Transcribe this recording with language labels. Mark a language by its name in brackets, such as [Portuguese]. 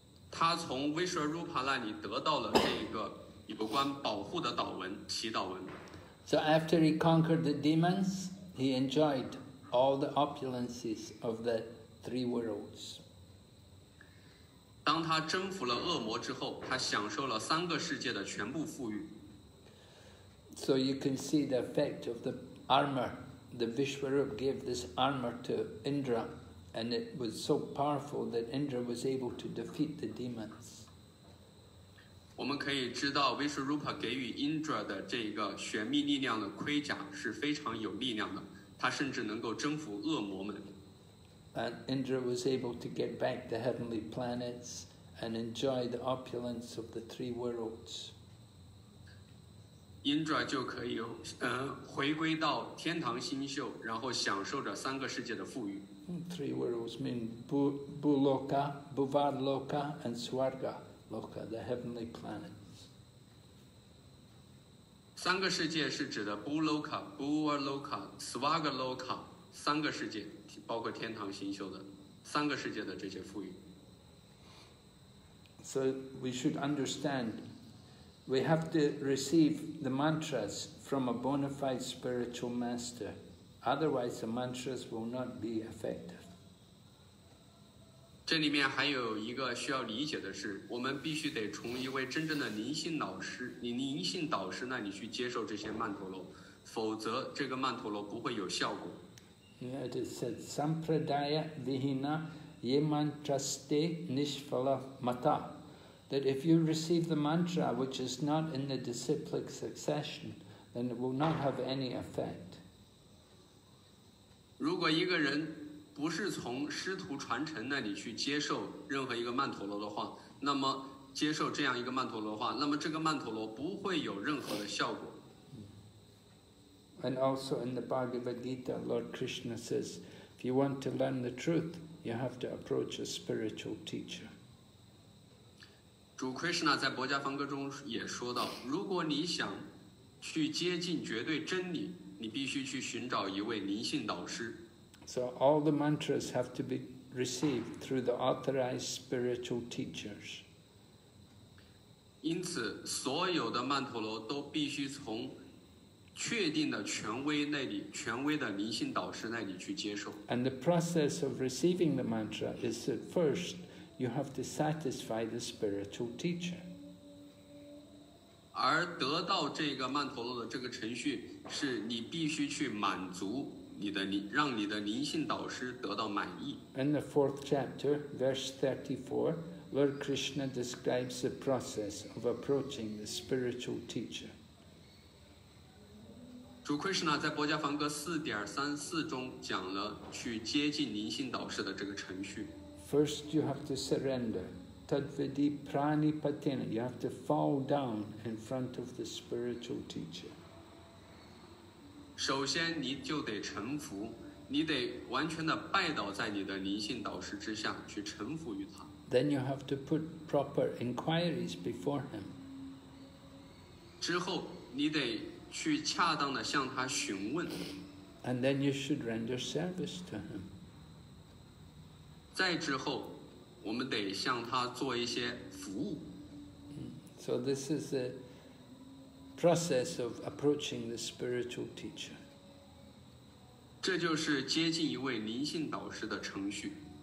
[Chinese] 他从 Vishwarupa 那里得到了这个有关保护的祷文，祈祷文。 [English] So after he conquered the demons, he enjoyed all the opulences of the three worlds. [Chinese] 当他征服了恶魔之后，他享受了三个世界的全部富裕。 [English] So you can see the effect of the armor. The Vishwarupa gave this armor to Indra, and it was so powerful that Indra was able to defeat the demons. [Chinese] 我们可以知道 Vishwarupa 给予 Indra 的这个玄秘力量的盔甲是非常有力量的，他甚至能够征服恶魔们。 [English] And Indra was able to get back the heavenly planets and enjoy the opulence of the three worlds. [Chinese] Indra 就可以回归到天堂星宿，然后享受着三个世界的富裕。 [English] Three worlds mean Bhuloka, Bhuvarloka, and Swarga. Loka, the heavenly planets. [Chinese] 三个世界是指的 Bhuloka, Bhuvarloka, Swargaloka, 三个世界，包括天堂星宿的三个世界的这些富裕。 [English] So we should understand, we have to receive the mantras from a bona fide spiritual master, otherwise the mantras will not be effective. [Chinese] 这里面还有一个需要理解的是，我们必须得从一位真正的灵性老师，你灵性导师那里去接受这些曼陀罗，否则这个曼陀罗不会有效果。 [English] It is said, [Sanskrit] Sampradaya Vihina Yemantraste Nishfala Mata, [English] that if you receive the mantra which is not in the disciplic succession, then it will not have any effect. [Chinese] 如果一个人不是从师徒传承那里去接受任何一个曼陀罗的话，那么接受这样一个曼陀罗的话，那么这个曼陀罗不会有任何的效果。 [English] And also in the Bhagavad Gita, Lord Krishna says, if you want to learn the truth, you have to approach a spiritual teacher. [Chinese] 主 Krishna 在《薄伽梵歌》中也说到，如果你想去接近绝对真理，你必须去寻找一位灵性导师。 [English] So all the mantras have to be received through the authorized spiritual teachers. [Chinese] 因此，所有的曼陀罗都必须从确定的权威那里，权威的灵性导师那里去接受。 [English] And the process of receiving the mantra is that first you have to satisfy the spiritual teacher. [Chinese] 而得到这个曼陀罗的这个程序，是你必须去满足。让你的灵性导师得到满意。 [English] In the fourth chapter, verse 34, Lord Krishna describes the process of approaching the spiritual teacher. [Chinese] 主 Krishna 在《薄伽梵歌》4.34中讲了去接近灵性导师的这个程序。 [English] First, you have to surrender, [Sanskrit] tadvidi pranipatena. [English] You have to fall down in front of the spiritual teacher. [Chinese] 首先你就得臣服，你得完全的拜倒在你的灵性导师之下，去臣服于他。 [English] Then you have to put proper inquiries before him. [Chinese] 之后你得去恰当的向他询问。 [English] And then you should render service to him. [Chinese] 再之后我们得向他做一些服务。 [English] So this is aprocess of approaching the spiritual teacher. [Chinese] 这就是接近一位灵性导师的程序。